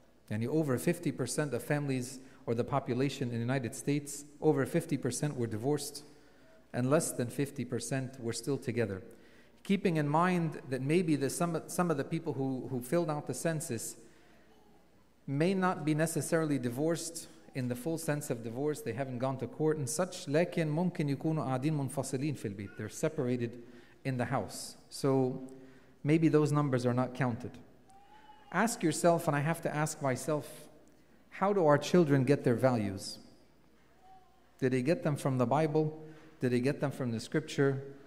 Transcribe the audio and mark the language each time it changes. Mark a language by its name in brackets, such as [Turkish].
[English] And over 50% of families, or the population in the United States, over 50% were divorced, and less than 50% were still together. Keeping in mind that maybe some of the people who filled out the census may not be necessarily divorced in the full sense of divorce, they haven't gone to court and such. [Arabic] لكن ممكن يكونوا قاعدين منفصلين في البيت. [English] They're separated in the house. So maybe those numbers are not counted. Ask yourself, and I have to ask myself, how do our children get their values? Did they get them from the Bible? Did they get them from the scripture?